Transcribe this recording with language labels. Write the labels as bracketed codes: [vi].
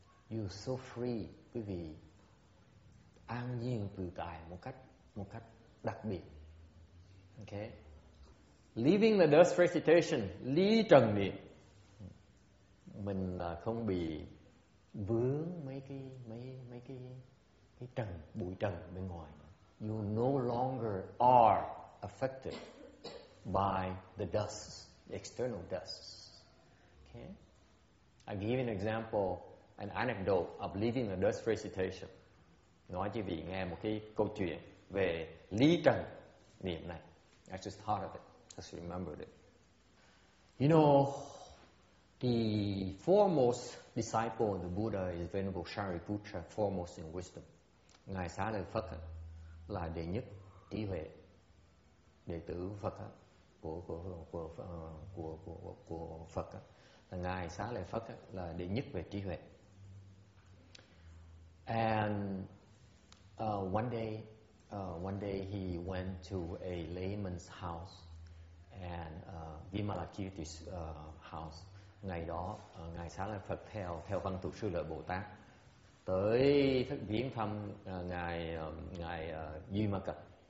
[en] You're so free, [vi] quý vị. An nhiên tự tại một cách đặc biệt. [en] Okay. Leaving the dust recitation, [vi] ly trần niệm. Mình không bị vướng mấy cái trần, bụi trần bên ngoài. [en] You no longer are affected by the dust, external dust. Okay. I give an example, an anecdote of leaving the dust recitation. [vi] Nói cho vị nghe một cái câu chuyện về ly trần niệm này. [en] I just thought of it. Just remembered it. You know, the foremost disciple of the Buddha is Venerable Shariputra, foremost in wisdom. [vi] Ngài Xá Lợi Phật là đệ nhất trí huệ, đệ tử Phật của Phật. Ngài Xá Lợi Phật là đệ nhất về trí huệ. [en] And one day he went to a layman's house. And Vimalakirti's house. [vi] Ngày đó Ngài Xá Lợi Phật theo văn tục sư lợi Bồ Tát tới viếng thăm ngài Vimalakirti.